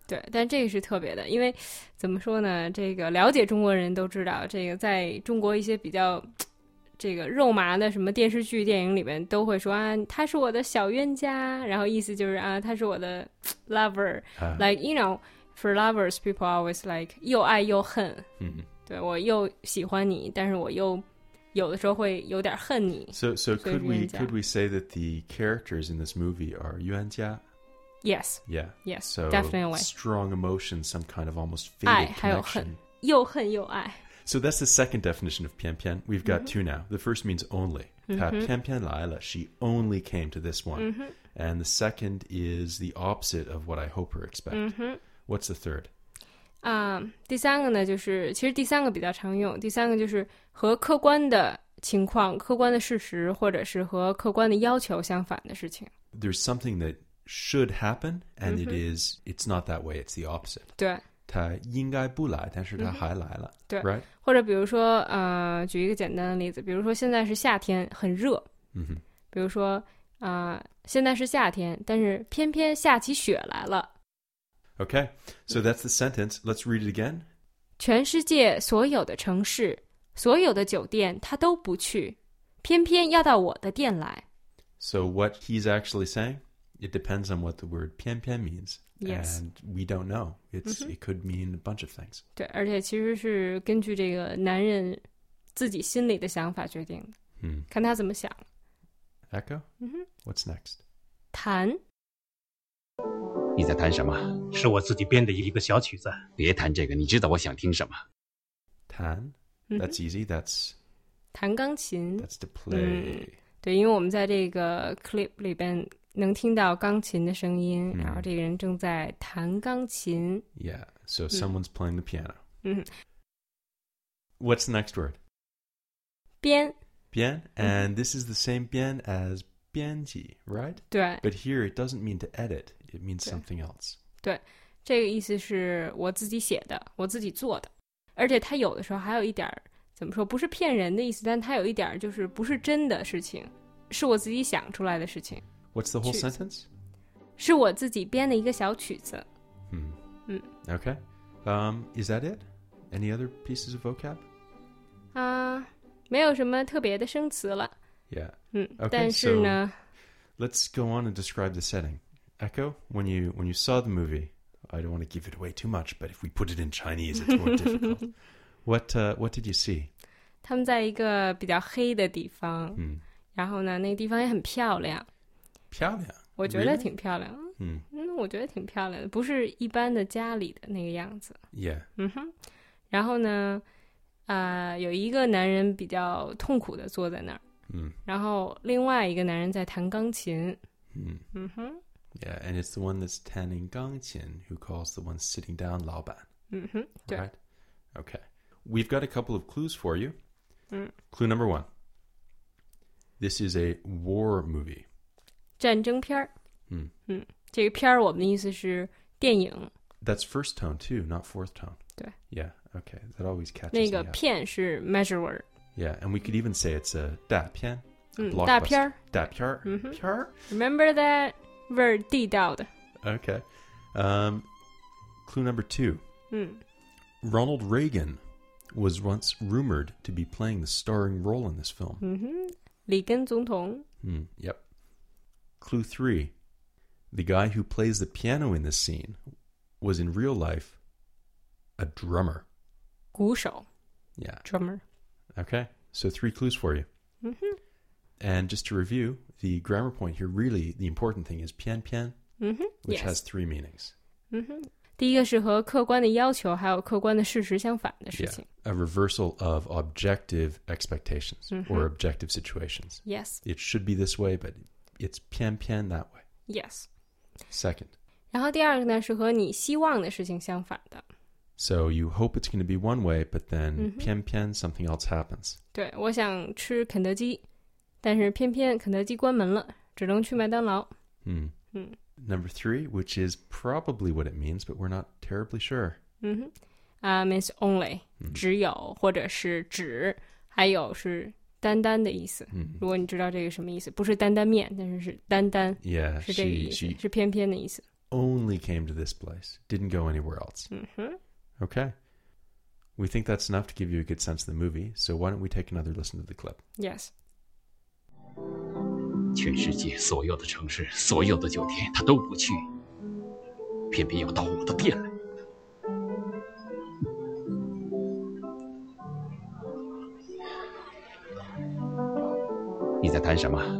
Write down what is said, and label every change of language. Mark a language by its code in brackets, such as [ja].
[zh] 对，但这个是特别的，因为怎么说呢，这个了解中国人都知道，这个在中国一些比较这个肉麻的什么电视剧电影里面都会说啊，他是我的小冤家，然后意思就是啊，他是我的 [en] lover, like, you know,For lovers, people always like, [zh] 又爱又恨。对，我又喜欢你，但是我又有的时候会有点恨你。 [en] So could we say that the characters in this movie are 冤家? Yes. Yeah. Yes, so definitely. Strong emotion, some kind of almost fated connection. [zh] 爱还有恨，又恨又爱。 [en] So that's the second definition of 偏偏. We've got two now. The first means only. [zh] 她偏偏来了. [en] She only came to this one. And the second is the opposite of what I hope or expect. What's the third? [zh] 第三个呢，就是其实第三个比较常用。第三个就是和客观的情况、客观的事实，或者是和客观的要求相反的事情。 [en] There's something that should happen, and it is. It's not that way. It's the opposite. [zh] 对，他应该不来，但是他还来了。对 [en] ，right. [zh] 或者比如说，举一个简单的例子，比如说现在是夏天，很热。嗯哼。比如说，现在是夏天，但是偏偏下起雪来了。 [en] Okay, so that's the sentence. Let's read it again. [zh] 全世界所有的城市，所有的酒店，他都不去，偏偏要到我的店来。 [en] So what he's actually saying, it depends on what the word 偏偏 means. Yes. And we don't know. It could mean a bunch of things. [zh] 对，而且其实是根据这个男人自己心里的想法决定的。看他怎么想。 [en] Echo? What's next? [zh] 谈。你在弹什么？是我自己编的一个小曲子。别弹这个，你知道我想听什么。 [en] 弹 ？That's easy. That's [zh] 弹钢琴。 [en] That's to play.、 [zh] 对，因为我们在这个 clip 里边能听到钢琴的声音，然后这个人正在弹钢琴。 [en] Yeah, so someone's playing the piano. 嗯。 What's the next word? [zh] 编。 [en] 编 ，and this is the same 编 as 编辑 ，right? [zh] 对。 [en] But here it doesn't mean to edit. It means something else. [zh] 对，这个意思是我自己写的，我自己做的。而且它有的时候还有一点，怎么说，不是骗人的意思，但它有一点就是不是真的事情，是我自己想出来的事情。 [en] What's the whole sentence? [zh] 是我自己编的一个小曲子。 [en] Okay. Is that it? Any other pieces of vocab? [zh] 没有什么特别的生词了。 [en] Yeah. [zh] Okay, 但是呢 [en] so let's go on and describe the setting. Echo, when you saw the movie, I don't want to give it away too much, but if we put it in Chinese, it's more difficult. What did you see? [zh] 他们在一个比较黑的地方，然后呢，那个地方也很漂亮。漂亮？我觉得挺漂亮。 [en] Really? [zh] 我觉得挺漂亮的，不是一般的家里的那个样子。 [en] Yeah. [zh] 然后呢，有一个男人比较痛苦的坐在那儿，然后另外一个男人在弹钢琴。 [en] Yeah, and it's the one that's tanning Gang Qin who calls the one sitting down Lao Ban. Right? Okay. We've got a couple of clues for you. Clue number one. This is a war movie. [zh] 战争片。这个片我们的意思是电影。 [en] That's first tone too, not fourth tone. [zh] 对。 [en] Yeah, okay. That always catches me up. [zh] 那个片是 [en] measure word. Yeah, and we could even say it's a 大片。 [zh] 大片。大片。片。 [en] Remember that? Very detailed. Okay. Clue number two. Ronald Reagan was once rumored to be playing the starring role in this film. [zh] 里根总统。 [en] Yep. Clue three. The guy who plays the piano in this scene was in real life a drummer. [zh] 鼓手。 [en] Yeah. Drummer. Okay. So three clues for you. And just to review... The grammar point here, really, the important thing is 偏偏, which has three meanings. [zh] 第一个是和客观的要求还有客观的事实相反的事情。 [en] A reversal of objective expectations or objective situations. Yes. It should be this way, but it's 偏偏 that way. Yes. Second. [zh] 然后第二个呢是和你希望的事情相反的。 [en] So you hope it's going to be one way, but then 偏偏 something else happens. [zh] 对，我想吃肯德基。但是偏偏肯德基关门了，只能去麦当劳。 [en] Number three, which is probably what it means, but we're not terribly sure. Means only, [zh] 只有或者是只，还有是单单的意思。如果你知道这个什么意思，不是单单面，但是是单单。 [en] Yeah, [zh] 是这个意思， [en] she [zh] 是偏偏的意思。 [en] Only came to this place, didn't go anywhere else. Okay, we think that's enough to give you a good sense of the movie. So why don't we take another listen to the clip? Yes. [zh] 全世界所有的城市所有的酒店他都不去偏偏要到我的店来你在弹什么